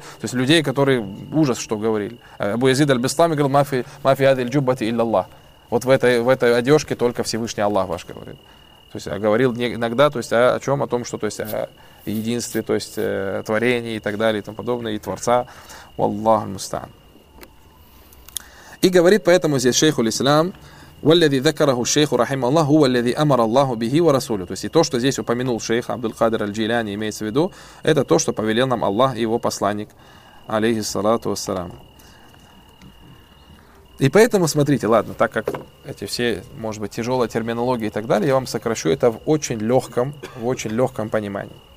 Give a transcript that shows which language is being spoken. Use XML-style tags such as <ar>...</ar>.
<ru>То есть людей, которые ужас что говорили. Абу Язид аль-Бислами говорил,</ru> <ar>мафи адиль-джуббати илляллах.</ar> <ru>Вот в этой одежке только Всевышний Аллах ваш говорит. То есть говорил иногда, то есть о чем? О том, что то есть о единстве, то есть творении и так далее и тому подобное, и Творца.</ru> <ar>Валлаху аль-мустаан.</ar> <ru>И говорит поэтому здесь шейх ул-Ислам,</ru> <ar>والذي ذكره الشيخ رحمه الله هو الذي أمر الله به ورسوله.</ar> <ru>То есть и то, что здесь упомянул шейх Абдул-Кадир аль-Джилани, имеется в виду, это то, что повелел нам Аллах и его посланник, алейхи салату вассалам. И поэтому, смотрите, ладно, так как эти все, может быть, тяжелая терминология и так далее, я вам сокращу это в очень легком понимании.</ru>